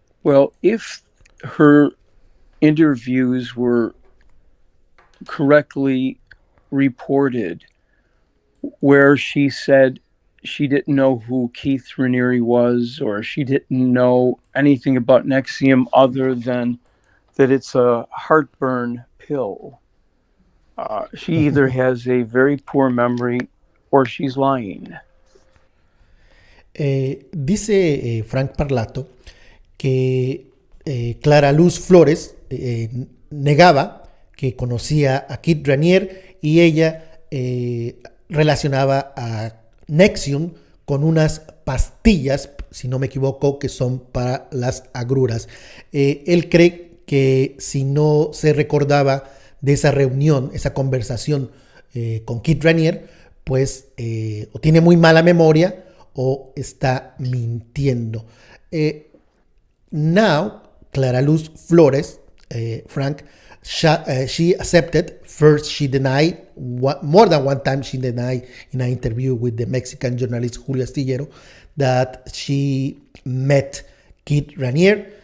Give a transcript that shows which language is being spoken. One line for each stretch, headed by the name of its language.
English: Well, if her interviews were correctly reported, where she said she didn't know who Keith Raniere was, or she didn't know anything about NXIVM other than that it's a heartburn pill, she either has a very poor memory or she's lying.
Spanish: Dice Frank Parlato que Clara Luz Flores negaba que conocía a Kit Ranier y ella relacionaba a Nexium con unas pastillas, si no me equivoco, que son para las agruras. Él cree que si no se recordaba de esa reunión, esa conversación con Kit Ranier, pues o tiene muy mala memoria o está mintiendo.
English: Now, Clara Luz Flores, Frank, she accepted, first she denied, more than one time she denied in an interview with the Mexican journalist Julio Astillero that she met Kit Ranier.